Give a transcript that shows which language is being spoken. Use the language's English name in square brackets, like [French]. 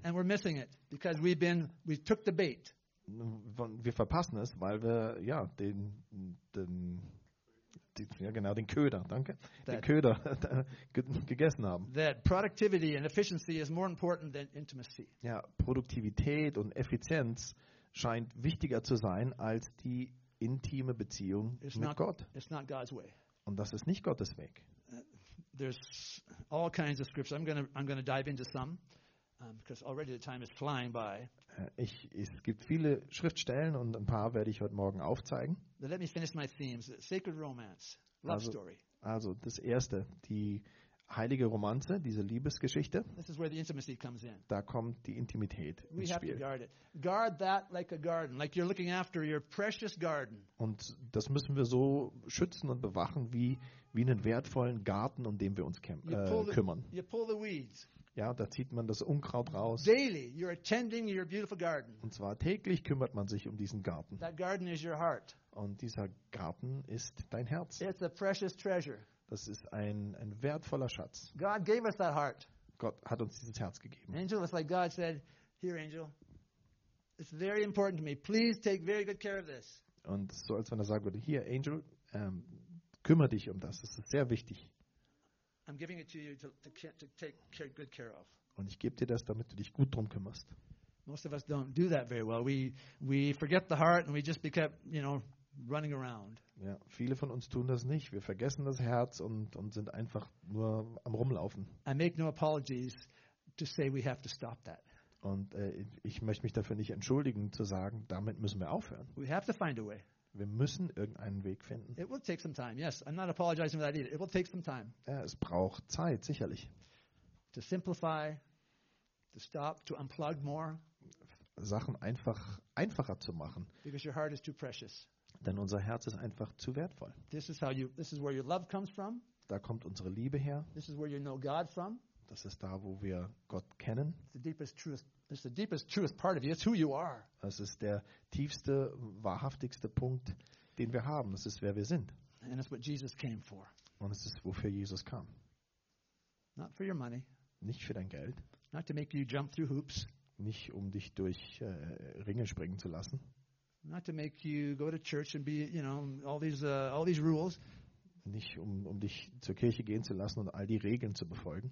[English] And we're missing it because we took the bait. [German] Wir verpassen es, weil wir den Köder gegessen haben. [English] That productivity and efficiency is more important than intimacy. [German] Ja, Produktivität und Effizienz scheint wichtiger zu sein als die intime Beziehung mit Gott. [English] It's not God's way. [German] Und das ist nicht Gottes Weg. [English] There's all kinds of scriptures. I'm gonna dive into some. Because already the time is flying by. [German] Es gibt viele Schriftstellen und ein paar werde ich heute Morgen aufzeigen. [English] Let me finish my themes. Sacred romance, love story. [German] Also das erste, die heilige Romanze, diese Liebesgeschichte. [English] This is where the intimacy comes in. [German] Da kommt die Intimität ins [English] We have [German] Spiel. [English] To guard it. Guard that like a garden, like you're looking after your precious garden. [German] Und das müssen wir so schützen und bewachen wie einen wertvollen Garten, um den wir uns kümmern. [English] You pull the weeds. [German] Ja, da zieht man das Unkraut raus. [English] Daily, you're attending your beautiful garden. [German] Und zwar täglich kümmert man sich um diesen Garten. [English] That garden is your heart. [German] Und dieser Garten ist dein Herz. [English] It's a precious treasure. [German] Das ist ein wertvoller Schatz. [English] God gave us that heart. [German] Gott hat uns dieses Herz gegeben. [English] Angel, it's like God said, here, Angel, it's very important to me. Please take very good care of this. [German] Und so als wenn er sagen würde, hier, Angel, kümmere dich um das. Das ist sehr wichtig. [English] I'm giving it to you to take care, good care of. [German] Und ich gebe dir das, damit du dich gut drum kümmerst. [English] Most of us don't do that very well. We forget the heart and we just become, you know, running around. [German] Ja, viele von uns tun das nicht. Wir vergessen das Herz und sind einfach nur am Rumlaufen. [English] I make no apologies to say we have to stop that. [German] Und ich möchte mich dafür nicht entschuldigen, zu sagen, damit müssen wir aufhören. [English] We have to find a way. [German] Wir müssen irgendeinen Weg finden. [English] It will take some time. Yes, I'm not apologizing for that either. It will take some time. [German] Ja, es braucht Zeit, sicherlich. [English] To simplify, to stop, to unplug more. [German] Sachen einfacher zu machen. [English] Because your heart is too precious. [German] Denn unser Herz ist einfach zu wertvoll. [English] This is how you. This is where your love comes from. [German] Da kommt unsere Liebe her. [English] This is where you know God from. [German] Das ist da, wo wir Gott kennen. [English] It's the deepest truth. It's the deepest, truest part of you. It's who you are. [German] Das ist der tiefste, wahrhaftigste Punkt, den wir haben. Das ist, wer wir sind. [English] And it's what Jesus came for. [German] Und es ist, wofür Jesus kam. [English] Not for your money. [German] Nicht für dein Geld. [English] Not to make you jump through hoops. [German] Nicht, um dich durch Ringe springen zu lassen. [English] Not to make you go to church and be, you know, all these rules. [German] Nicht um dich zur Kirche gehen zu lassen und all die Regeln zu befolgen.